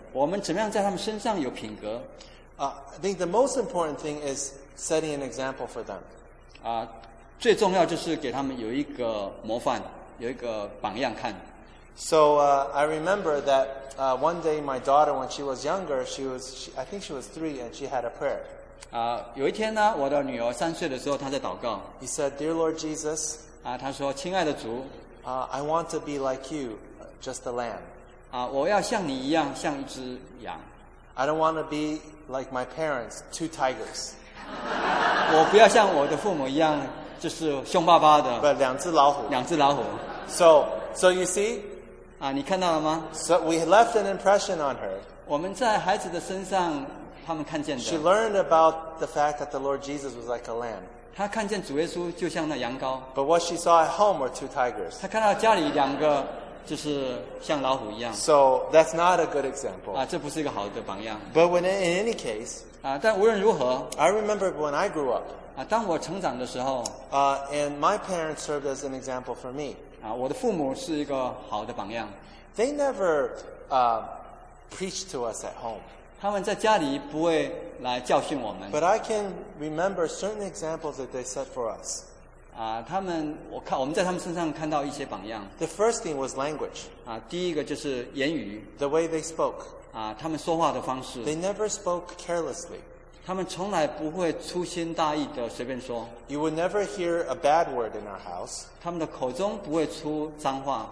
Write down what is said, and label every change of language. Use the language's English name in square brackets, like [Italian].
[Chinese] 我们怎么样在他们身上有品格 [English] I think the most important thing is setting an example for them. [Chinese] 最重要就是给他们有一个模范，有一个榜样看。 [English] So I remember that one day my daughter, when she was younger, I think she was 3, and she had a prayer. [Chinese] 有一天呢，我的女儿三岁的时候，她在祷告。 [English] He said, "Dear Lord Jesus." [Chinese] 她说，亲爱的主。 [English] I want to be like you, just a lamb. [Chinese] 我要像你一样，像一只羊。 [English] I don't want to be like my parents, 2 tigers. [Chinese] 我不要像我的父母一样，就是凶巴巴的。不，两只老虎。两只老虎。 [English] So you see? [Chinese] 你看到了吗？ [English] So we left an impression on her. [Chinese] 我们在孩子的身上，他们看见的。 [English] She learned about the fact that the Lord Jesus was like a lamb. [Chinese] 她看见主耶稣就像那羊羔。 [English] But what she saw at home were 2 tigers. [Chinese] 她看到家里两个。就是像老虎一样。 [English] So that's not a good example. [Chinese] 这不是一个好的榜样。 [English] But when in any case, [Chinese] 但无论如何 [English] ，I remember when I grew up. [Chinese] 当我成长的时候 [English] ，and my parents served as an example for me. [Chinese] 我的父母是一个好的榜样。 [English] They never preached to us at home. [Chinese] 他们在家里不会来教训我们。 [English] But I can remember certain examples that they set for us. [Chinese] 他们我们在他们身上看到一些榜样。 [English] The first thing was language. [Chinese] 第一个就是言语。 [English] The way they spoke. [Chinese] 他们说话的方式。 [English] They never spoke carelessly. [Chinese] 他们从来不会粗心大意的随便说。 [English] You would never hear a bad word in our house. [Chinese] 他们的口中不会出脏话。